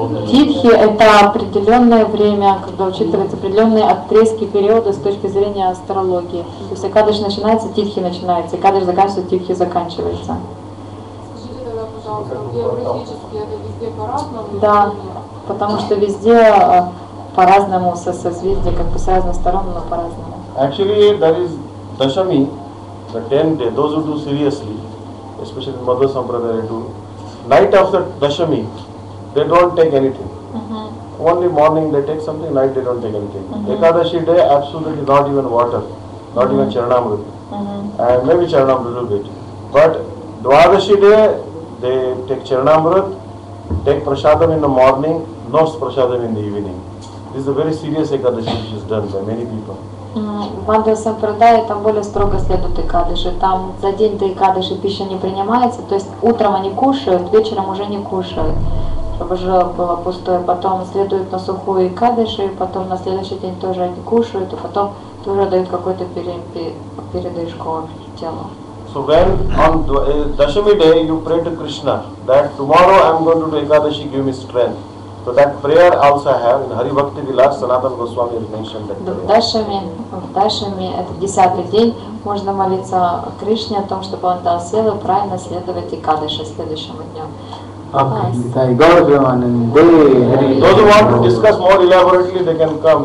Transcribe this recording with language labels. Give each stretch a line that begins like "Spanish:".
Russian: Тидхи – это определенное время, когда учитываются определенные отрезки периода с точки зрения астрологии. То есть экадаш начинается, тидхи начинается, экадаш заканчивается, тидхи заканчивается. Скажите тогда, пожалуйста, географически это везде по-разному? Да, потому что везде по-разному, со созвездия, как бы с разных сторон, но по-разному.
English: Actually, that is Dashami, the 10 day, those who do seriously, especially in Madhva Sampradaya, do night of the Dashami. They don't take anything. Mm-hmm. Only morning they take something, night they don't take anything. Mm-hmm. Ekadashi day, absolutely not even water, not mm-hmm. even charanamrita. Mm-hmm. And maybe charanamrita little bit. But Dwadashi day, they take charanamrita, take prasadam in the morning, no prasadam in the evening. This is a very serious Ekadashi which is done by many people.
Russian: В Мандра Сампрадайе там более строго следуют Экадыши. Там за день до Экадыши пища не принимается, то есть утром они кушают, вечером уже не кушают, чтобы жило было пустое. Потом следуют на сухую Экадыши, потом на следующий день тоже они кушают, и потом тоже дают какую-то передышку телу.
English: So when on Dashami day you pray to Krishna that tomorrow I'm going to do Ekadashi, give me strength. So that prayer also I have in Hari Bhakti Vilas, Sanatana Goswami has mentioned that.
Russian: Dashami, это 10-й день, можно молиться Кришне о том, чтобы он дал силы правильно следовать Экадаши следующему дню.
English: Those who want to discuss more elaborately, they can come.